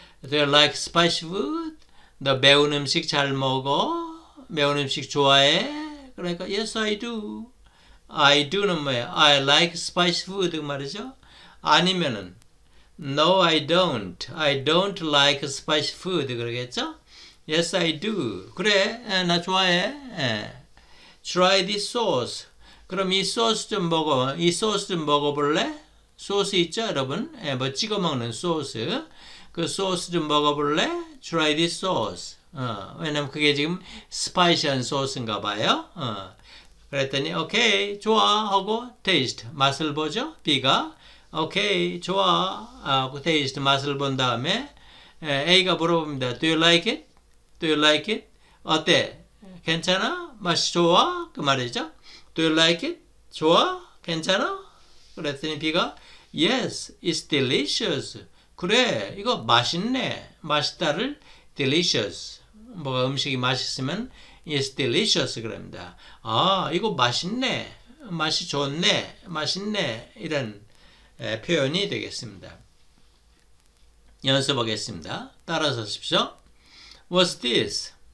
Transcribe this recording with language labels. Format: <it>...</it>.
<en>Do you like spicy food?</en> <ko>너 매운 음식 잘 먹어? 매운 음식 좋아해? 그러니까</ko> <en>yes I do. I do</en> <ko>는 뭐예요?</ko> <en>I like spicy food</en> <ko>말이죠. 아니면은</ko> <en>no I don't. I don't like spicy food</en> <ko>그러겠죠?</ko> <en>Yes I do.</en> <ko>그래 나 좋아해.</ko> <en>Try this sauce.</en> <ko>그럼 이 소스 좀 먹어. 이 소스 좀 먹어볼래? 소스 있죠 여러분? 뭐 찍어 먹는 소스. 그 소스 좀 먹어볼래?</ko> <en>Try this sauce.</en> <ko>왜냐면 그게 지금 스파이시한 소스인가 봐요. 그랬더니 오케이 좋아 하고 테이스트 맛을 보죠. 비가 오케이 좋아 하고 테이스트 맛을 본 다음에 A가 물어봅니다.</ko> <en>Do you like it? Do you like it?</en> <ko>어때? 괜찮아? 맛이 좋아? 그 말이죠.</ko> <en>Do you like it?</en> <ko>좋아? 괜찮아? 그랬더니 B가</ko> <en>Yes, it's delicious.</en> <ko>그래, 이거 맛있네. 맛있다를 delicious. 뭐가 음식이 맛있으면</ko> <en>it's delicious</en> <ko>그럽니다. 아, 이거 맛있네. 맛이 좋네. 맛있네. 이런 표현이 되겠습니다. 연습하겠습니다. 따라서 하십시오.</ko> <en>What's this?</en>